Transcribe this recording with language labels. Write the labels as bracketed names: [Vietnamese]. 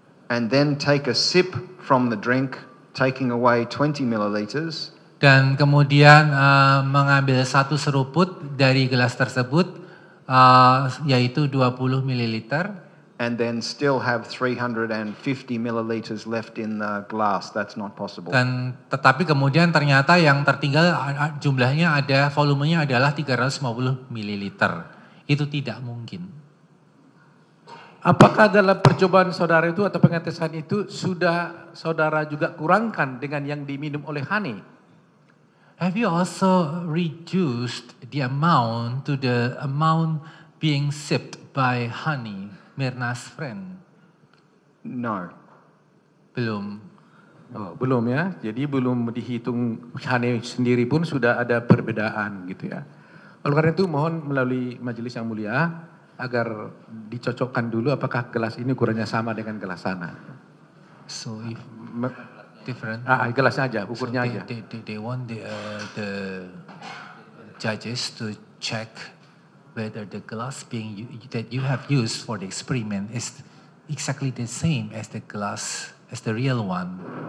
[English] And then take a sip from the drink, taking away 20 milliliters. [Indonesian] Dan kemudian mengambil satu seruput dari gelas tersebut, yaitu 20 milliliter. [English] And then still have 350 milliliters left in the glass. That's not possible. [Indonesian] Dan tetapi kemudian ternyata yang tertinggal jumlahnya ada volumenya adalah 350 milliliter. Itu tidak mungkin. Apakah dalam percobaan saudara itu atau pengetesan itu sudah saudara juga kurangkan dengan yang diminum oleh Hani? [English] Have you also reduced the amount to the amount being sipped by Hani? Mirna's friend. No. [Indonesian] Belum. Oh, belum ya. Jadi belum dihitung Hani sendiri pun sudah ada perbedaan gitu ya. Oleh karena itu mohon melalui majelis yang mulia agar dicocokkan dulu apakah gelas ini ukurannya sama dengan gelas sana. [English] So if different. [Indonesian] Gelasnya aja, ukurannya [English] so [Indonesian] aja. [English] They want the judges to check whether the glass being that you have used for the experiment is exactly the same as the glass, as the real one.